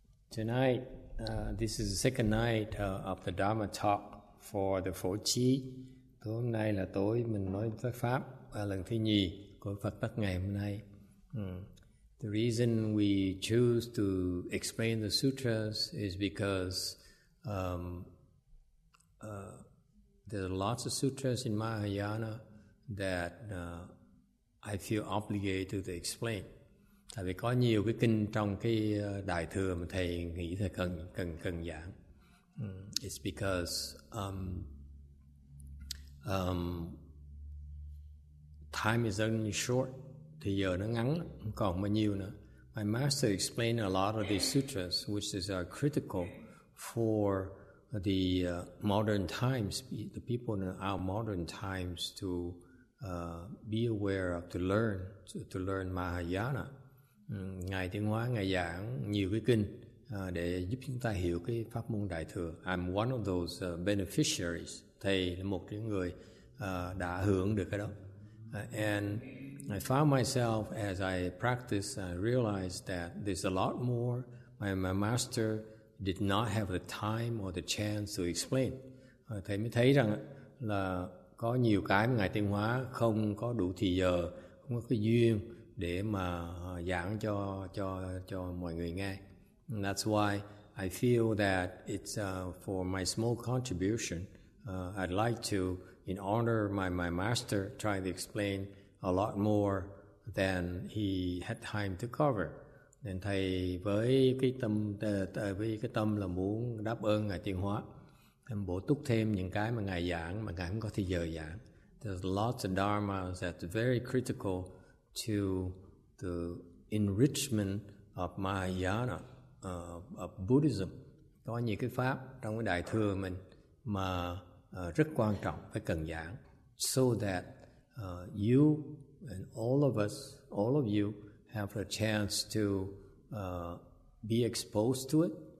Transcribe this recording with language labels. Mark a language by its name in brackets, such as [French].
[English] Tonight, this is the second night of the Dharma talk for the Phổ Chi. [Vietnamese] Tối hôm nay là tối mình nói với Pháp lần thứ nhì của Phật Bắc ngày hôm nay. [English] The reason we choose to explain the sutras is because there are lots of sutras in Mahayana that I feel obligated to explain. [Vietnamese] Tại vì có nhiều cái kinh trong cái đại thừa mà thầy nghĩ thầy cần giảng. [English] It's because time is only short. [Vietnamese] Thì giờ nó ngắn lắm, còn bao nhiêu nữa. [English] My master explained a lot of these sutras, which is critical for the modern times, the people in our modern times to be aware of, to learn Mahayana. [Vietnamese] Ngài Tiến Hóa, Ngài giảng nhiều cái kinh để giúp chúng ta hiểu cái pháp môn Đại Thừa. [English] I'm one of those beneficiaries. [Vietnamese] Thầy là một cái người đã hưởng được cái đó. [English] And I found myself, as I practiced, I realized that there's a lot more my master did not have the time or the chance to explain. [Vietnamese] Thầy mới thấy rằng là có nhiều cái mà Ngài Tiến Hóa không có đủ thời giờ, không có cái duyên để mà giảng cho mọi người nghe. [English] And that's why I feel that it's for my small contribution. I'd like to, in honor of my master, try to explain a lot more than he had time to cover. [Vietnamese] Nên thầy với cái tâm là muốn đáp ơn Ngài Tiến Hóa, em bổ túc thêm những cái mà Ngài giảng mà Ngài không có thời giờ giảng. [English] There's lots of dharmas that's very critical to the enrichment of Mahayana, of Buddhism. [Vietnamese] Có nhiều cái pháp trong cái đại thừa mình mà rất quan trọng, phải cần giảng. [English] So that you and all of us, all of you, have a chance to be exposed to it.